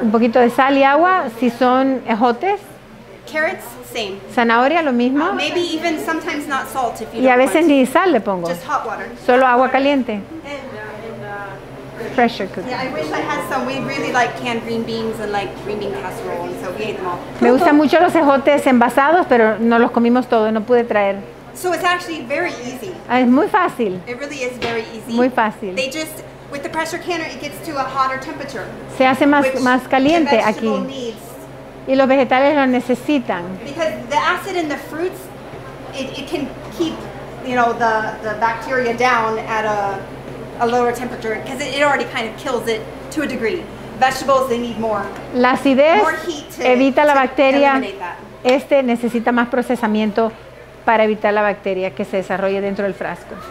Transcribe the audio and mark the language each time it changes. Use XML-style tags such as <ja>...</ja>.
<es>Un poquito de sal y agua, si son ejotes.</es> <en>Carrots, same.</en> <es>Zanahoria, lo mismo.</es> <en>Maybe even sometimes not salt if you</en> <es>don't. Y a veces ni sal le pongo.</es> <en>Just hot water.</en> <es>Solo agua caliente.</es> <en>And pressure cooker. Yeah, I wish I had some. We really like canned green beans and like green bean casserole.</en> <es>Me gustan mucho los ejotes envasados, pero no los comimos todos, no pude traer.</es> <en>So it's actually very easy.</en> <es>Es muy fácil.</es> <en>It really is very easy.</en> <es>Muy fácil.</es> <en>They just, with the pressure canner, it gets to a hotter temperature.</en> <es>Se hace más caliente aquí.</es> <en>Needs.</en> <es>Y los vegetales lo necesitan.</es> <en>Because the acid in the fruits, it can keep, you know, the bacteria down at a lower temperature, because it already kind of kills it to a degree. Vegetables, they need more.</en> <es>La acidez</es> <en>more heat to,</en> <es>evita</es> <en>to</en> <es>la bacteria. Este necesita más procesamiento para evitar la bacteria que se desarrolle dentro del frasco.</es>